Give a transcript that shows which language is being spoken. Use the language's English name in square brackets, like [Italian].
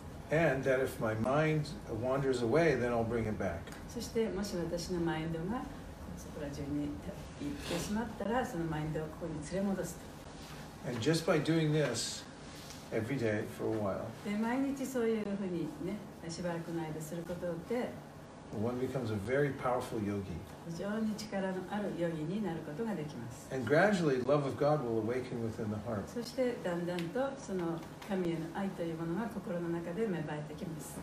[English] And that if my mind wanders away, then I'll bring it back. [Japanese] そしてもし私のマインドがそこら中に行ってしまったら、そのマインドをここに連れ戻すと。 [English] And just by doing this every day for a while. [Japanese] で毎日そういうふうにね、しばらくの間することで、 [English] One becomes a very powerful yogi. [Japanese] 非常に力のあるヨギになることができます。 [English] And gradually, love of God will awaken within the heart. [Japanese] そしてだんだんとその神への愛というものが心の中で芽生えてきます。